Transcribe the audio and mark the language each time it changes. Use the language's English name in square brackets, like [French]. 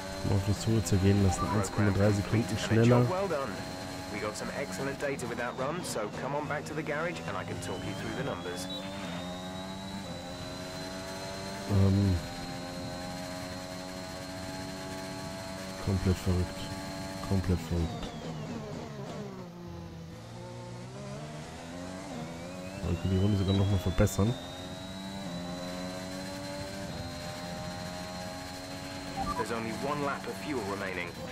[German] Auf die Zunge zu gehen lassen. 1,3 Sekunden schneller. [English] Well done. We got some excellent data with that run, so come on back to the garage and I can talk you through the numbers. [German] Komplett verrückt. Komplett verrückt. Ich kann die Runde sogar noch mal verbessern. [English] There's only one lap of fuel remaining.